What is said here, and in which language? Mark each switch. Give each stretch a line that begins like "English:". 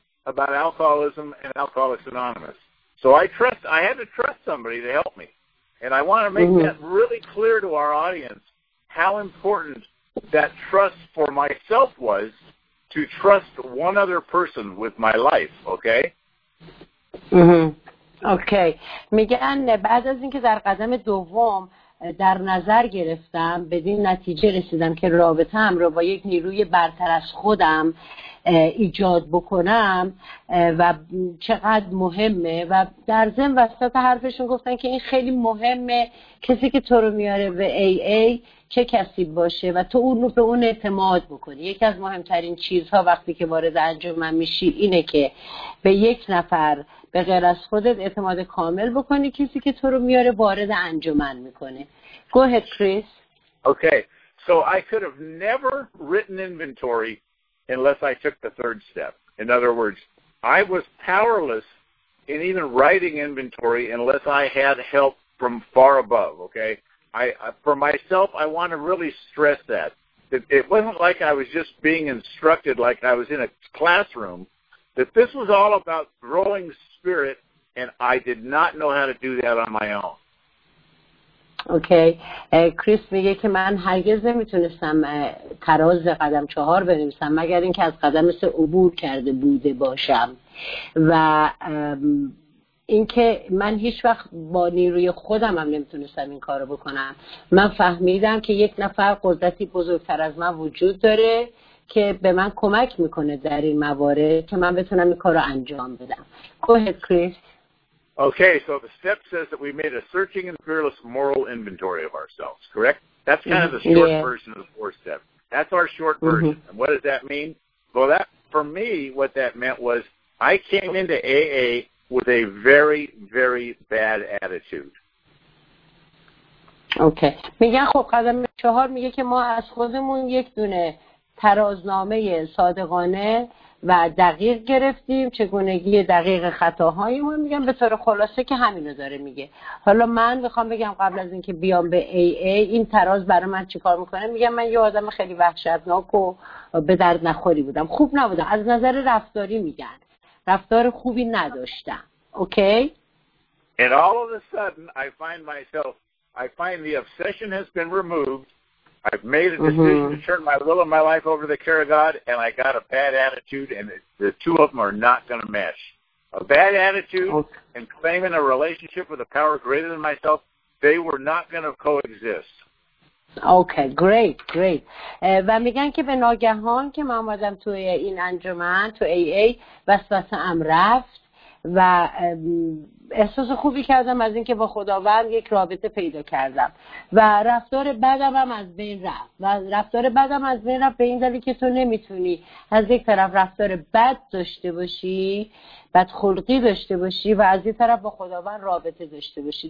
English: about alcoholism and Alcoholics Anonymous. So I trust, I had to trust somebody to help me. And I want to make that really clear to our audience how important that trust for myself was to trust one other person with my life, okay?
Persian: اوکی میگن بعد از اینکه در قدم دوم در نظر گرفتم بدین نتیجه رسیدم که رابطه‌ام رو با یک نیروی برتر از خودم ایجاد بکنم و چقدر مهمه و در ضمن وسط حرفشون گفتن که این خیلی مهمه کسی که تو رو میاره به AA چه کسی باشه و تو اون رو به اون اعتماد بکنی. یکی از مهمترین چیزها وقتی که وارد انجمن میشی اینه که به یک نفر به غیر از خودت اعتماد کامل بکنی، کسی که تو رو میاره وارد انجمن میکنه.
English: Go ahead, Chris. Okay, so I could have never written inventory unless I took the third step. In other words, I was powerless in even writing inventory unless I had help from far above, okay? For myself, I want to really stress that. It wasn't like I was just being instructed like I was in a classroom, that this was all about growing spirit, and I did not know how to do that on my own.
Persian: اوکی کریس میگه که من هرگز نمیتونستم تراز قدم چهار بنویسم مگر اینکه از قدم سه عبور کرده بوده باشم و اینکه من هیچ وقت با نیروی خودم هم نمیتونستم این کارو بکنم. من فهمیدم که یک نفر قدرتی بزرگتر از من وجود داره که به من کمک میکنه در این موارد که من بتونم این کارو انجام بدم.
English: Go ahead, Chris. Okay, so the step says that we made a searching and fearless moral inventory of ourselves, correct? That's kind of the short version of the four step. That's our short version. And what does that mean? Well, that for me, what that meant was I came into AA with a very, very bad attitude. Okay.
Persian: میگه خب قدم چهار میگه که ما از خودمون یک دونه ترازنامه صادقانه و دقیق گرفتیم، چگونگی دقیق خطاهایمون. میگم به طور خلاصه که همینو داره میگه. حالا من میخوام بگم قبل از اینکه بیام به AA این تراز برای من چیکار میکنه. میگم من یه آدم خیلی وحشتناک و به درد نخوری بودم، خوب نبودم از نظر رفتاری، میگن رفتار خوبی نداشتم.
English: Okay And all of a sudden I find the obsession has been removed. I've made a decision to turn my will and my life over to the care of God, and I got a bad attitude, and the two of them are not going to mesh. A bad attitude and claiming a relationship with a power greater than myself, they were not going to coexist. Okay, great, great.
Persian: و میگن که به ناگهان که من اومدم تو این انجمن تو AA وسوسه‌ام رفت و احساس خوبی کردم از اینکه با خداوند یک رابطه پیدا کردم و رفتار بدم هم از بین رفت و رفتار بدم از بین رفت به این دلیل که تو نمیتونی از یک طرف رفتار بد داشته باشی، بد خلقی داشته باشی و از یک طرف با خداوند رابطه داشته باشی.